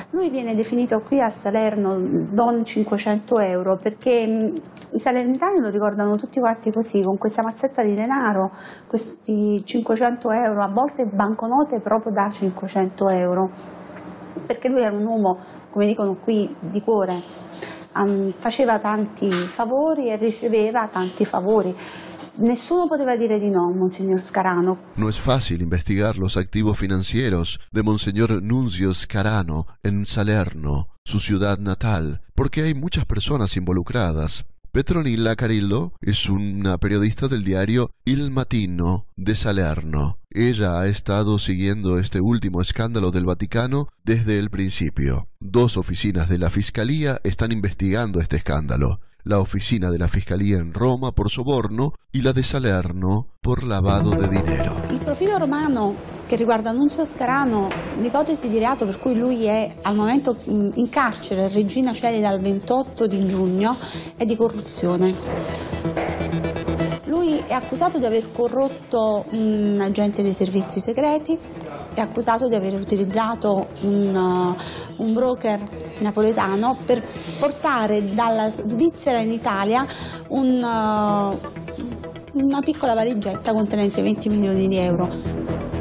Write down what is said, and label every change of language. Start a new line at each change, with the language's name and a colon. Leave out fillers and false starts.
Italian: Viene definito qui a Salerno Don 500 euro perché i salernitani lo ricordano tutti quanti così, con questa mazzetta di denaro, questi 500 euro, a volte banconote proprio da 500 euro, perché lui era un uomo, come dicono qui, di cuore, faceva tanti favori e riceveva tanti favori. Nessuno poteva dire di no, Monsignor Scarano.
Spanish: No es fácil investigar los activos financieros de Monseñor Nunzio Scarano en Salerno, su ciudad natal, porque hay muchas personas involucradas. Petronilla Carillo es una periodista del diario Il Mattino de Salerno. Ella ha estado siguiendo este último escándalo del Vaticano desde el principio. Dos oficinas de la Fiscalía están investigando este escándalo. La oficina de la Fiscalía en Roma por soborno y la de Salerno por lavado de dinero.
Italian: El profilo romano que riguarda Nunzio Scarano, l'ipotesi di reato per cui lui è al momento in carcere, Regina Coeli dal 28 di giugno, è di corruzione. Lui è accusato di aver corrotto un agente dei servizi segreti, è accusato di aver utilizzato un broker napoletano per portare dalla Svizzera in Italia una piccola valigetta contenente 20 milioni di euro.